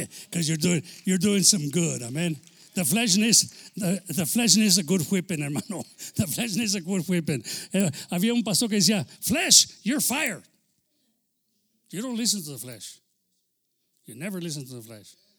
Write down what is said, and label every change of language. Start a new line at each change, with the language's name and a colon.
English: Because you're doing some good, amen. The flesh needs a good whipping, hermano. The flesh needs a good whipping.
Spanish: Había un pastor que decía,
English: flesh, you're fire. You don't listen to the flesh. You never listen to the flesh.